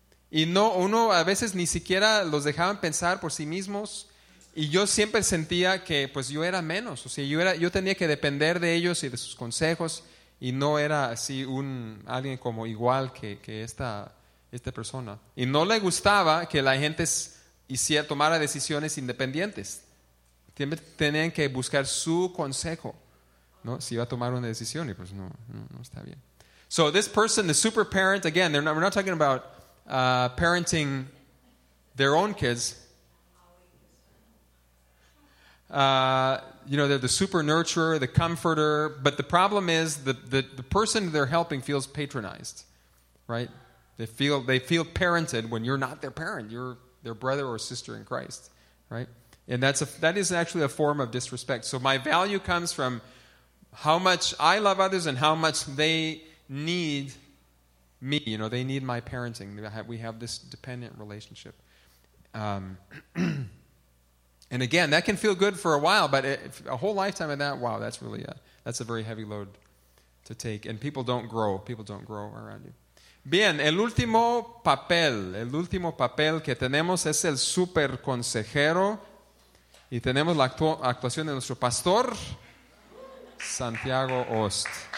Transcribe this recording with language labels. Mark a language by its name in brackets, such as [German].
[Spanish] Y no, uno a veces ni siquiera los dejaban pensar por sí mismos, y yo siempre sentía que pues yo era menos, o sea, yo tenía que depender de ellos y de sus consejos, y no era así alguien como igual que esta persona. Y no le gustaba que la gente tomara decisiones independientes. Siempre tenían que buscar su consejo, ¿no? Si iba a tomar una decisión, y pues no está bien. [English] So this person, the super parent, again, we're not talking about parenting their own kids. You know, they're the super nurturer, the comforter, but the problem is the person they're helping feels patronized, right? They feel parented when you're not their parent. You're their brother or sister in Christ, right? And that is actually a form of disrespect. So my value comes from how much I love others and how much they need me. You know, they need my parenting. We have this dependent relationship. and again, that can feel good for a while, but if a whole lifetime of that, wow, that's really that's a very heavy load to take. And people don't grow. People don't grow around you. [Spanish] Bien, el último papel que tenemos es el super consejero, y tenemos la actuación de nuestro pastor, Santiago Ost.